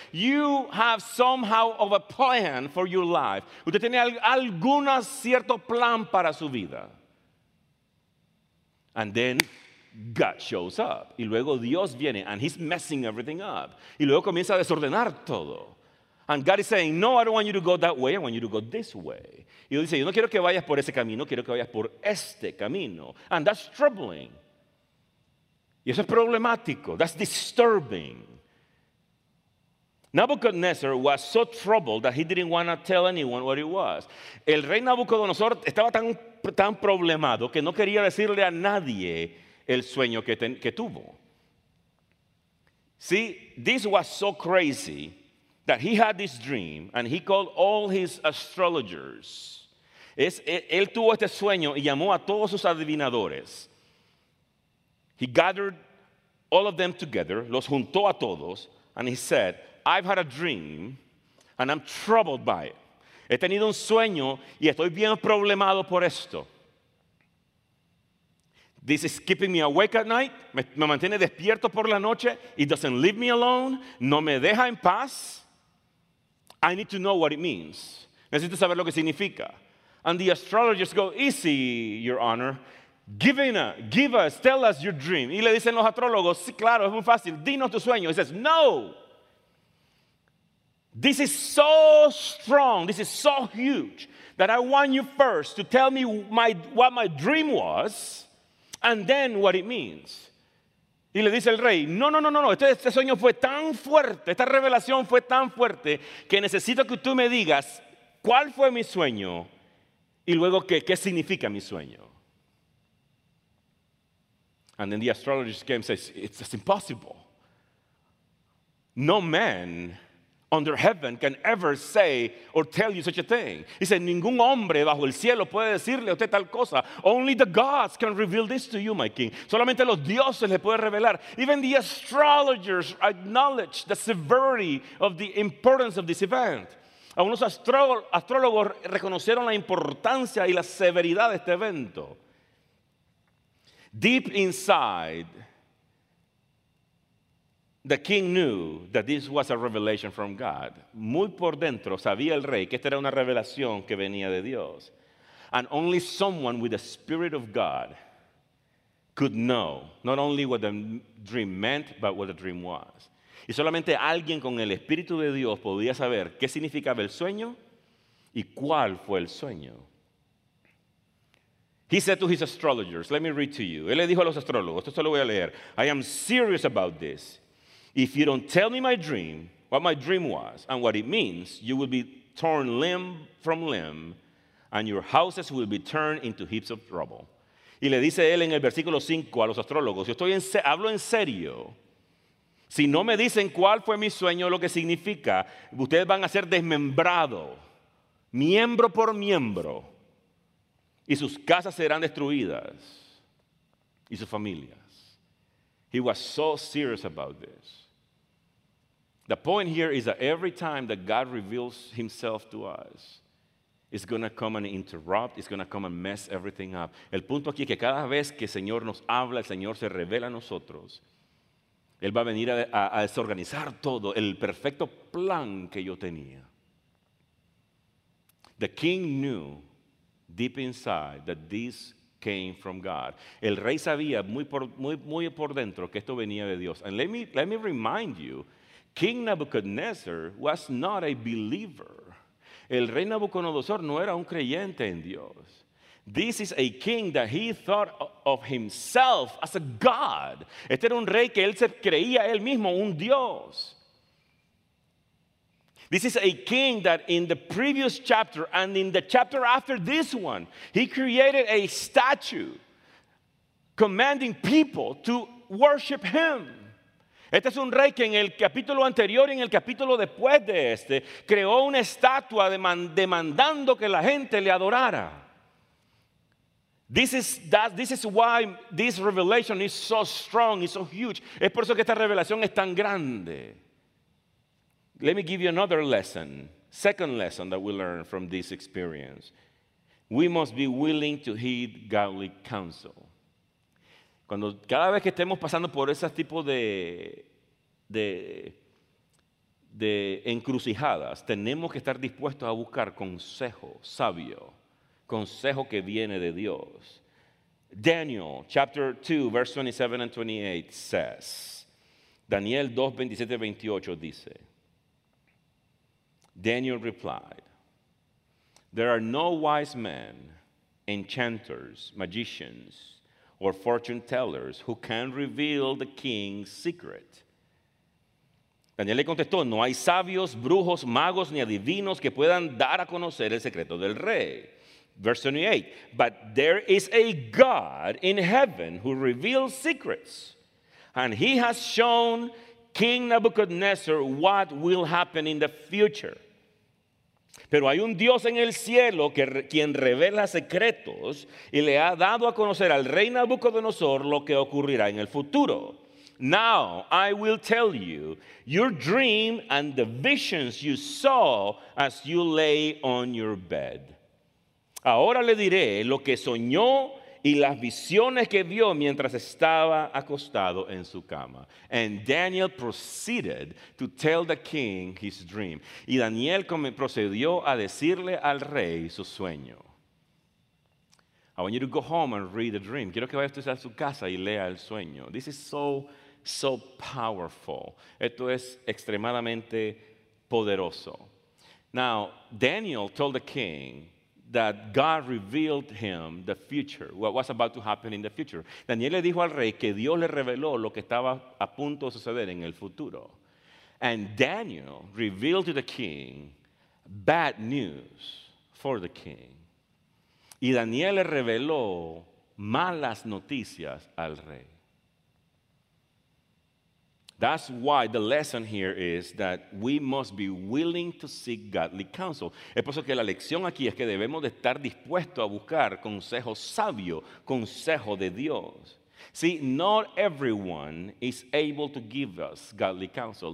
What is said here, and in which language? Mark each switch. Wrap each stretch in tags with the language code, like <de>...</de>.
<en>You have somehow of a plan for your life.</en> <es>Usted tiene algún cierto plan para su vida.</es> <en>And then God shows up.</en> <es>Y luego Dios viene</es> <en>and he's messing everything up.</en> <es>Y luego comienza a desordenar todo.</es> <en>And God is saying, no, I don't want you to go that way. I want you to go this way.</en> <es>Y Dios dice, yo no quiero que vayas por ese camino. Quiero que vayas por este camino.</es> <en>And that's troubling.</en> <es>Y eso es problemático.</es> <en>That's disturbing. Nabucodonosor was so troubled that he didn't want to tell anyone what it was.</en> <es>El rey Nabucodonosor estaba tan problemado que no quería decirle a nadie el sueño que tuvo.</es> <en>See, this was so crazy that he had this dream and he called all his astrologers.</en> <es>Él tuvo este sueño y llamó a todos sus adivinadores.</es> <en>He gathered all of them together,</en> <es>los juntó a todos,</es> <en>and he said, I've had a dream, and I'm troubled by it.</en> <es>He tenido un sueño, y estoy bien problemado por esto.</es> <en>This is keeping me awake at night,</en> <es>me mantiene despierto por la noche,</es> <en>it doesn't leave me alone,</en> <es>no me deja en paz.</es> <en>I need to know what it means.</en> <es>Necesito saber lo que significa.</es> <en>And the astrologers go, easy, your honor. Tell us your dream.</en> <es>Y le dicen los astrólogos, sí, claro, es muy fácil, dinos tu sueño.</es> <en>He says, no, this is so strong, this is so huge, that I want you first to tell me what my dream was, and then what it means.</en> <es>Y le dice el rey, no, este sueño fue tan fuerte, esta revelación fue tan fuerte, que necesito que tú me digas cuál fue mi sueño, y luego qué significa mi sueño.</es> <en>And then the astrologer came and says, it's impossible. No man under heaven can ever say or tell you such a thing. He said,</en> <es>ningún hombre bajo el cielo puede decirle a usted tal cosa.</es> <en>Only the gods can reveal this to you, my king.</en> <es>Solamente los dioses le pueden revelar.</es> <en>Even the astrologers acknowledge the severity of the importance of this event.</en> <es>Algunos astrólogos reconocieron la importancia y la severidad de este evento.</es> <en>Deep inside, the king knew that this was a revelation from God.</en> <es>Muy por dentro sabía el rey que esta era una revelación que venía de Dios.</es> <en>And only someone with the Spirit of God could know not only what the dream meant, but what the dream was.</en> <es>Y solamente alguien con el Espíritu de Dios podía saber qué significaba el sueño y cuál fue el sueño.</es> <en>He said to his astrologers, let me read to you.</en> <es>Él le dijo a los astrólogos, esto se lo voy a leer.</es> <en>I am serious about this. If you don't tell me my dream, what my dream was, and what it means, you will be torn limb from limb, and your houses will be turned into heaps of rubble.</en> <es>Y le dice él en el versículo 5 a los astrólogos, hablo en serio. Si no me dicen cuál fue mi sueño, lo que significa, ustedes van a ser desmembrados, miembro por miembro, y sus casas serán destruidas, y sus familias.</es> <en>He was so serious about this. The point here is that every time that God reveals himself to us, it's going to come and interrupt, it's going to come and mess everything up.</en> <es>El punto aquí es que cada vez que el Señor nos habla, el Señor se revela a nosotros, Él va a venir a desorganizar todo, el perfecto plan que yo tenía.</es> <en>The king knew deep inside that this came from God.</en> <es>El rey sabía muy por dentro que esto venía de Dios.</es> <en>And let me remind you, King Nebuchadnezzar was not a believer.</en> <es>El rey Nabucodonosor no era un creyente en Dios.</es> <en>This is a king that he thought of himself as a god.</en> <es>Este era un rey que él se creía él mismo un Dios.</es> <en>This is a king that in the previous chapter and in the chapter after this one, he created a statue commanding people to worship him.</en> <es>Este es un rey que en el capítulo anterior y en el capítulo después de este creó una estatua demandando que la gente le adorara.</es> <en>This is why this revelation is so strong, it's so huge.</en> <es>Es por eso que esta revelación es tan grande.</es> <en>Let me give you another lesson, second lesson that we learn from this experience. We must be willing to heed godly counsel.</en> <es>Cuando cada vez que estemos pasando por ese tipo de encrucijadas, tenemos que estar dispuestos a buscar consejo sabio, consejo que viene de Dios.</es> <en>Daniel chapter 2, verse 27 and 28 says,</en> <es>Daniel 2, 27 y 28 dice,</es> <en>Daniel replied, there are no wise men, enchanters, magicians, or fortune tellers who can reveal the king's secret.</en> <es>Daniel le contestó, no hay sabios, brujos, magos, ni adivinos que puedan dar a conocer el secreto del rey.</es> <en>Verse 28, but there is a God in heaven who reveals secrets, and he has shown King Nebuchadnezzar what will happen in the future.</en> <es>Pero hay un Dios en el cielo quien revela secretos y le ha dado a conocer al rey Nabucodonosor lo que ocurrirá en el futuro.</es> <en>Now I will tell you your dream and the visions you saw as you lay on your bed.</en> <es>Ahora le diré lo que soñó y las visiones que vio mientras estaba acostado en su cama.</es> <en>And Daniel proceeded to tell the king his dream.</en> <es>Y Daniel procedió a decirle al rey su sueño.</es> <en>I want you to go home and read the dream.</en> <es>Quiero que vaya usted a su casa y lea el sueño.</es> <en>This is so, so powerful.</en> <es>Esto es extremadamente poderoso.</es> <en>Now, Daniel told the king that God revealed him the future, what was about to happen in the future.</en> <es>Daniel le dijo al rey que Dios le reveló lo que estaba a punto de suceder en el futuro.</es> <en>And Daniel revealed to the king bad news for the king.</en> <es>Y Daniel le reveló malas noticias al rey.</es> <en>That's why the lesson here is that we must be willing to seek godly counsel.</en> <es>Es por eso que la lección aquí es que debemos de estar dispuestos a buscar consejo sabio, consejo de Dios.</es> <en>See, not everyone is able to give us godly counsel.</en>